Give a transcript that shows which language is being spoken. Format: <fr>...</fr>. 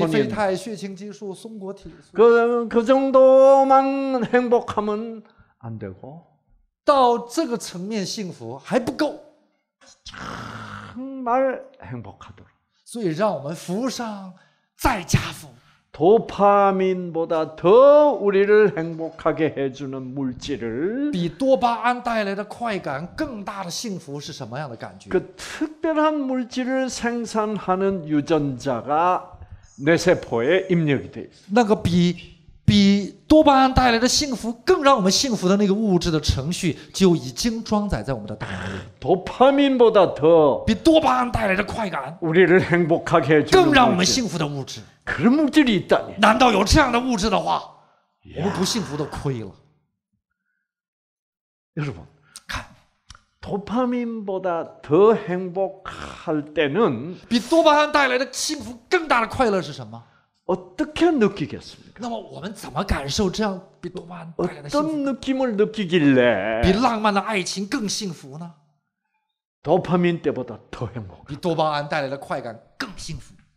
<zh>内啡肽血清激素松果体素</zh> <ko>그정도만행복하면안되고</ko> <zh>到这个层面幸福还不够</zh> <ko>정말행복하도록</ko> <zh>所以让我们福上再加福</zh> <ko>도파민보다더우리를행복하게해주는물질을</ko> <zh>比多巴胺带来的快感更大的幸福是什么样的感觉</zh> <ko>그특별한물질을생산하는유전자가뇌세포에입력이돼있어</ko> <zh>那个比多巴胺带来的幸福更让我们幸福的那个物质的程序就已经装载在我们的大脑里。</zh> <ko>도파민보다더</ko> <zh>比多巴胺带来的快感</zh> <ko>우리를행복하게해주는</ko> <zh>更让我们幸福的物质。</zh> <ko>그런물질이있다니</ko> <zh>难道有这样的物质的话我们不幸福都亏了</zh> <ko>여러분</ko> <zh>看</zh> <ko>도파민보다더행복할때는</ko> <zh>比多巴胺带来的幸福更大的快乐是什么</zh> <ko>어떻게느끼겠습니까</ko> <zh>那么我们怎么感受这样比多巴胺带来的幸福</zh> <ko>어떤느낌을느끼길래</ko> <zh>比浪漫的爱情更幸福呢</zh> <ko>도파민때보다더행복</ko> <zh>比多巴胺带来的快感更幸福</zh>